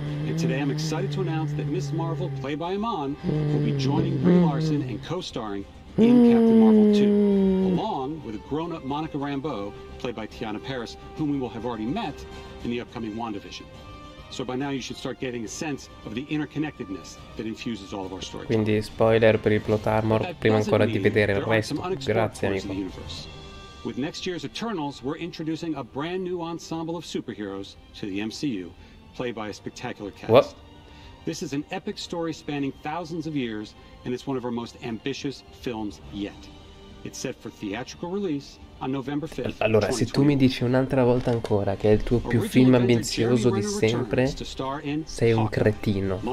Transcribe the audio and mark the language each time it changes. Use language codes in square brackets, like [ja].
[en] And today I'm excited to announce that Miss Marvel, played by Iman, will be joining Brie Larson and co-starring in Captain Marvel 2, along with a grown-up Monica Rambeau, played by Tiana Paris, whom we will have already met in the upcoming WandaVision. So by now you should start getting a sense of the interconnectedness that infuses all of our story. [it] Quindi spoiler per il plot armor prima ancora di vedere il resto. Grazie amico. [en] With next year's Eternals, we're introducing a brand new ensemble of superheroes to the MCU, played by a spectacular cast. What? This is an epic story spanning thousands of years, and it's one of our most ambitious films yet. It's set for theatrical release [it] Allora, se tu mi dici un'altra volta ancora che è il tuo più film ambizioso di sempre, sei un cretino.